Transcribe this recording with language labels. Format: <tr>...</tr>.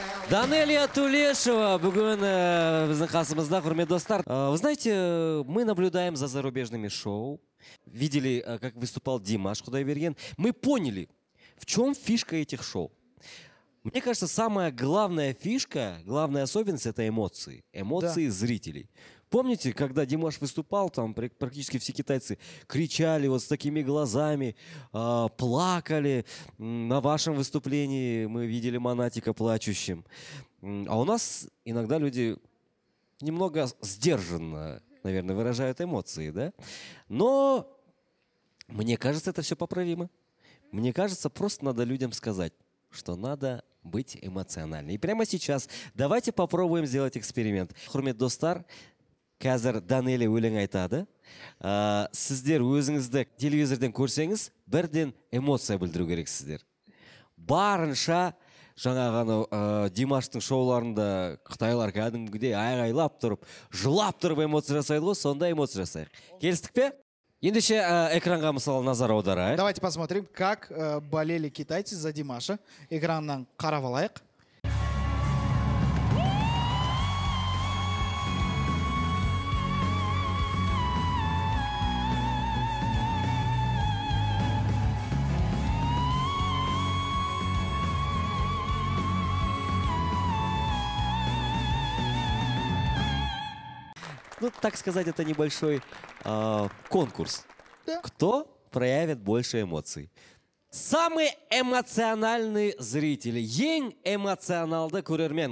<kk>Данелия Тулешева, бүгін біздің қасымызда, құрметті достар.</kk> <ru>Вы знаете, мы наблюдаем за зарубежными шоу. Видели, как выступал Димаш Құдайберген. Мы поняли, в чем фишка этих шоу. Мне кажется, самая главная фишка, главная особенность — это эмоции. Эмоции да. Зрителей. Помните, когда Димаш выступал, там практически все китайцы кричали вот с такими глазами, плакали. На вашем выступлении мы видели Монатика плачущим. А у нас иногда люди немного сдержанно, наверное, выражают эмоции, да? Но мне кажется, это все поправимо. Мне кажется, просто надо людям сказать, что надо быть эмоциональным. И прямо сейчас давайте попробуем сделать эксперимент.</ru> <kk>Хурмет Достар, қазір Данелия өлең айтады. Сіздер өзіңізді телевизорден көрсеңіз, бірден эмоция білдіру керек сіздер. Барынша жаңағаны Димаштың шоуларында қытайлар кәдімгідей айғайлап тұрып, жылап тұрып эмоция жасайды ғой, сонда эмоция жасайық. Келістік пе? Ендеше экранға мысалы назар аударайық.</kk> <ru>Давайте посмотрим, как болели китайцы за Димаша.</ru> <kk>Экраннан қарап алайық.</kk> <ru>Ну, так сказать, это небольшой конкурс. Да. Кто проявит больше эмоций? Самые эмоциональные зрители.</ru> <kk>Ең эмоционалды көрермен.</kk>